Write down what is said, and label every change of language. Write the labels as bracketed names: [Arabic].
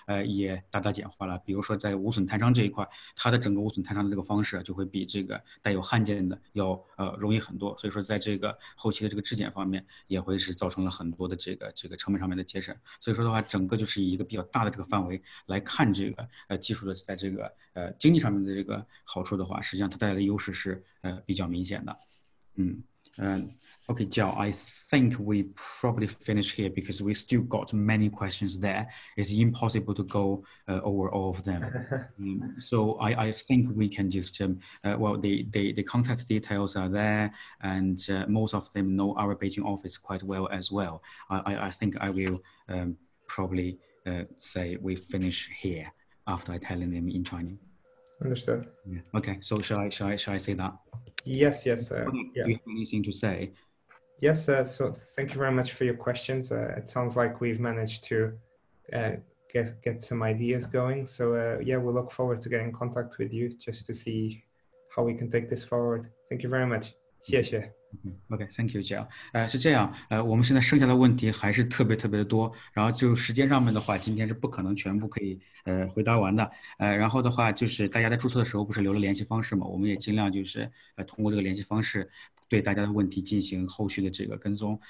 [Chinese] 也大大简化了，比如说在无损碳伤这一块，它的整个无损碳伤的这个方式就会比这个带有焊件的要容易很多，所以说在这个后期的这个质检方面也会是造成了很多的这个成本上面的节省，所以说的话整个就是以一个比较大的这个范围来看这个技术的在这个经济上面的这个好处的话，实际上它带来的优势是比较明显的。 [English] Okay, Jiao, I think we probably finish here because we still got many questions there. It's impossible to go over all of them. So I think we can just, the contact details are there, and most of them know our Beijing office quite well as well. I think I will probably say we finish here after I tell them in Chinese. Understood. Yeah. Okay, so shall I say that? Yes, Do you have anything to say? Yes, so thank you very much for your questions. It sounds like we've managed to get some ideas going. So we'll look forward to getting in contact with you just to see how we can take this forward. Thank you very much. [Chinese] 谢谢. [English] OK, thank you, Jill. [Chinese] 是这样，我们现在剩下的问题还是特别特别的多，然后就时间上面的话，今天是不可能全部可以回答完的。然后的话就是大家在注册的时候不是留了联系方式嘛，我们也尽量就是通过这个联系方式对大家的问题进行后续的这个跟踪。